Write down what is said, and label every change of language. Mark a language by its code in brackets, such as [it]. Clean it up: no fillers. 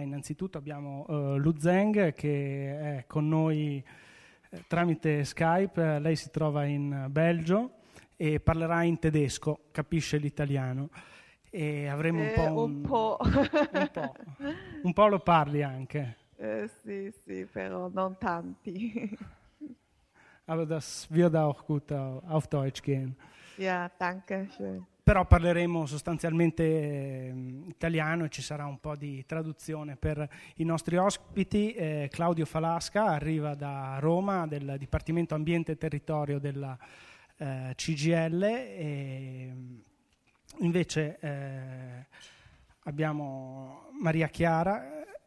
[it] Innanzitutto abbiamo Lu Zheng che è con noi tramite Skype, lei si trova in Belgio e parlerà in tedesco, capisce l'italiano e avremo un po' lo parli anche sì però non tanti. [de] Aber das wird auch gut auf Deutsch gehen. Ja, danke schön. [it] Però parleremo sostanzialmente italiano e ci sarà un po' di traduzione per i nostri ospiti. Claudio Falasca arriva da Roma, del Dipartimento Ambiente e Territorio della CGL, e invece abbiamo Maria Chiara,